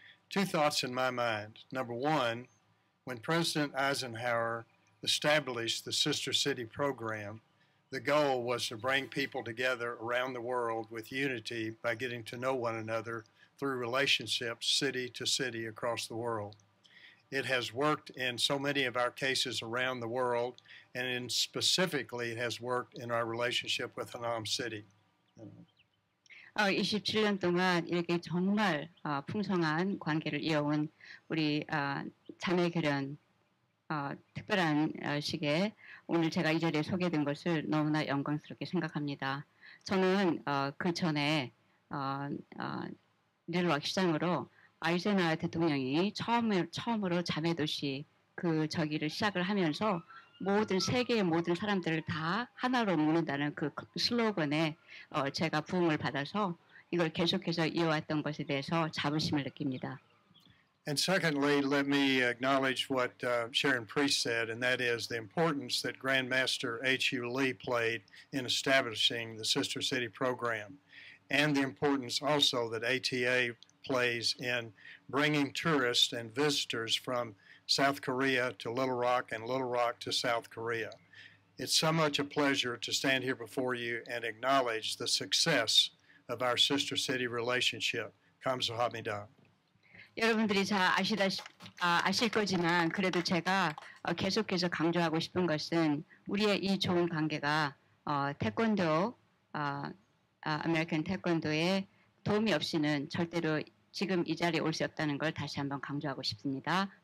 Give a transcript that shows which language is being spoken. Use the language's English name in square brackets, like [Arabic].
[English] Two thoughts in my mind. Number one, when President Eisenhower established the Sister City Program, the goal was to bring people together around the world with unity by getting to know one another through relationships city to city across the world. It has worked in so many of our cases around the world, and in specifically it has worked in our relationship with Hanam City. [Korean] 27년 동안 이렇게 정말 풍성한 관계를 이어온 우리 자매결연 특별한 시기에 오늘 제가 이 자리에 소개된 것을 너무나 영광스럽게 생각합니다. 저는 그 전에 릴락 시장으로 아이젠하워 대통령이 처음으로 자매 도시 그 저기를 시작을 하면서 모든 세계의 모든 사람들을 다 하나로 모은다는 그 슬로건에 제가 부응을 받아서 이걸 계속해서 이어왔던 것에 대해서 자부심을 느낍니다. [English] And secondly, let me acknowledge what Sharon Priest said, and that is the importance that Grandmaster H.U. Lee played in establishing the Sister City Program, and the importance also that ATA plays in bringing tourists and visitors from South Korea to Little Rock and Little Rock to South Korea. It's so much a pleasure to stand here before you and acknowledge the success of our Sister City relationship. [Korean] 감사합니다. 여러분들이 잘 아실 거지만 그래도 제가 계속해서 강조하고 싶은 것은 우리의 이 좋은 관계가 태권도, 아메리칸 태권도의 도움이 없이는 절대로 지금 이 자리에 올 수 없다는 걸 다시 한번 강조하고 싶습니다.